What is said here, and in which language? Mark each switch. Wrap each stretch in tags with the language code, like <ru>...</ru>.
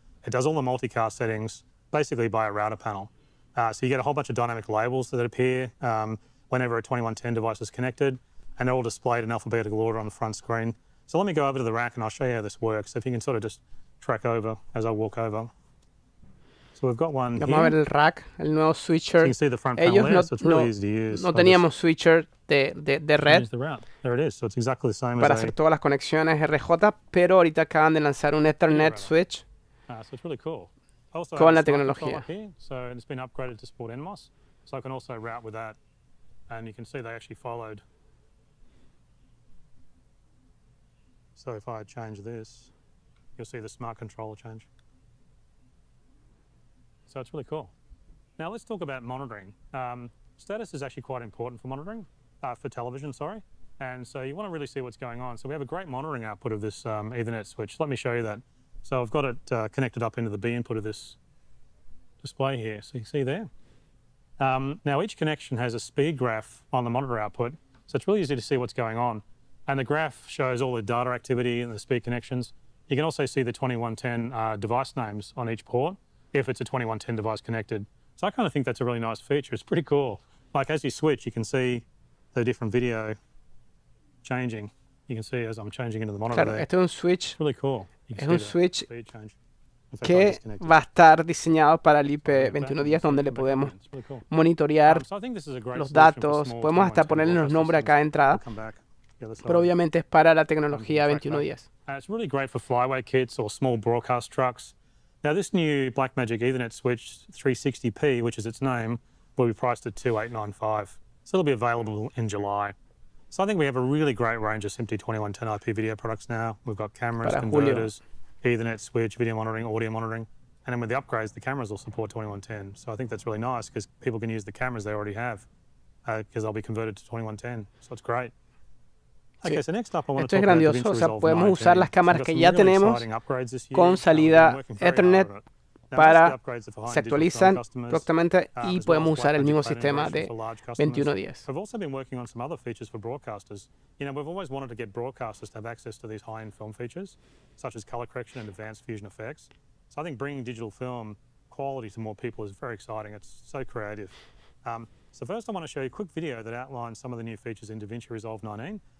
<en>It does all the multicast settings, basically by a router panel. So you get a whole bunch of dynamic labels that appear whenever a 2110 device is connected, and they're all displayed in alphabetical order on the front screen. So let me go over to the rack and I'll show you how this works. If you can sort of just track over as I walk over. So we've got one</en> <es>here. Vamos a ver el rack, el nuevo switcher.</es> <en>So you can see the front panel there, so it's really easy to use.</en> <es>No teníamos switcher de red.</es> <en>There it is, so it's exactly the same as</en> <es>para hacer todas las conexiones RJ, pero ahorita acaban de lanzar un Ethernet switch.</es> <en>So it's really cool.</en> <es>Also, con la tecnología.</es> <en>So it's been upgraded to support NMOS, so I can also route with that. And you can see they actually followed. So if I change this, you'll see the smart controller change. So it's really cool. Now let's talk about monitoring. Status is actually quite important for monitoring, for television. And so you want to really see what's going on. So we have a great monitoring output of this Ethernet switch. Let me show you that. So I've got it connected up into the B input of this display here. So you see there. Now each connection has a speed graph on the monitor output. So it's really easy to see what's going on. And the graph shows all the data activity and the speed connections. You can also see the 2110 device names on each port if it's a 2110 device connected. So I kind of think that's a really nice feature. It's pretty cool. Like as you switch, you can see the different video changing. You can see as I'm changing into the monitor</en> <es>claro,</es> <en>there.</en> <es>Este es un switch.</es> <en>It's really cool.</en> <es>Es un switch que va a estar diseñado para el IP2110, donde le podemos monitorear los datos. Podemos hasta ponerle los nombres a cada entrada, pero obviamente es para la tecnología 2110.</es> <en>It's really great for flyaway kits or small broadcast trucks. Now, this new Blackmagic Ethernet switch 360P, which is its name, will be priced at $2,895. So it'll be available in July. So I think we have a really great range of SMPTE 2110 IP video products now. We've got cameras, converters, Ethernet switch, video monitoring, audio monitoring. And then with the upgrades, the cameras will support 2110. So I think that's really nice because people can use the cameras they already have because they'll be converted to 2110. So it's great. Okay, so next up I want to talk about the Resolve 19.</en> <es>Podemos usar las cámaras que ya tenemos con salida Ethernet para se actualizan próximamente y podemos usar el mismo sistema de 2110.</es> <en>We've also been working on some other features for broadcasters. You know, we've always wanted to get broadcasters to have access to these high-end film features, such as color correction and advanced fusion effects. So I think bringing digital film quality to more people is very exciting. It's so creative. So first I want to show you a quick video that outlines some of the new features in DaVinci Resolve 19.</en>